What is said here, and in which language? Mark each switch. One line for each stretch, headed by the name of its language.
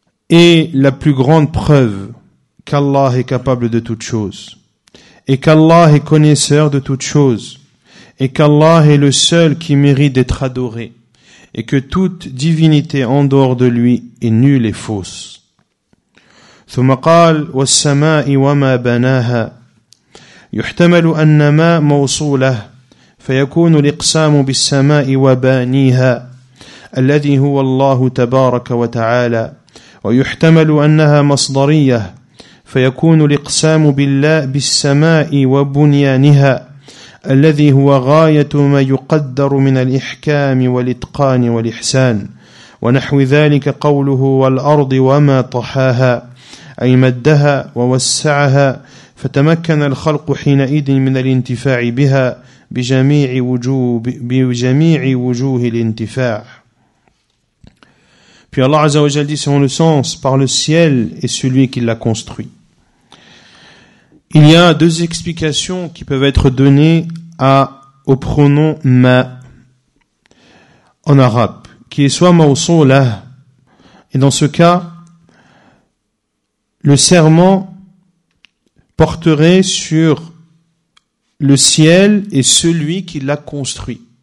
French: est la plus grande preuve qu'Allah est capable de toutes choses, et qu'Allah est connaisseur de toutes choses, et qu'Allah est le seul qui mérite d'être adoré, et que toute divinité en dehors de lui est nulle et fausse.
Arabic: ثم قال والسماء وما بناها يحتمل أن ما موصوله فيكون الإقسام بالسماء وبانيها الذي هو الله تبارك وتعالى ويحتمل أنها مصدرية فيكون الإقسام بالله بالسماء وبنيانها الذي هو غاية ما يقدر من الإحكام والإتقان والإحسان ونحو ذلك قوله والأرض وما طحاها أي مدها ووسعها فتمكن الخلق حينئذ من الانتفاع بها بجميع وجوه الانتفاع.
French: Puis Allah Azza wa Jal dit, selon le sens, par le ciel et celui qui l'a construit. Il y a deux explications qui peuvent être données au pronom ma en arabe, qui est soit mausulah, et dans ce cas, le serment porterait sur le ciel et celui qui l'a construit.